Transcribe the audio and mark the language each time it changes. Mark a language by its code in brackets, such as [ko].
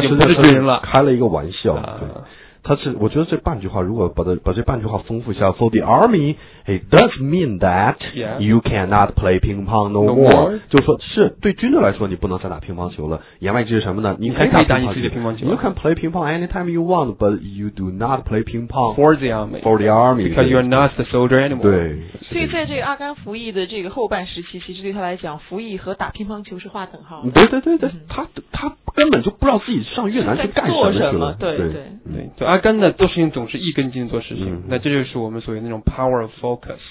[zh] 不是军人了，开了一个玩笑。啊、对，他是我觉得这半句话，如果把这半句话丰富一下 ， [en] For the army it does mean that you cannot play ping pong no more。 [zh] 就是说，是对军队来说，你不能再打乒乓球了。言外之意是什么呢？你还可以打你自己的乒乓球。 [en] You can play ping pong anytime you want, but you do not play ping pong for the army. For the army, because you are not the soldier anymore. [zh] 对。所以在这个阿甘服役的这个后半时期，其实对他来讲，服役和打乒乓球是划等号的。对对对对，嗯、他根本就不知道自己上越南去干什么去了。对对对，就阿甘呢做事情总是一根筋做事情、嗯，那这就是我们所谓那种 power of focus，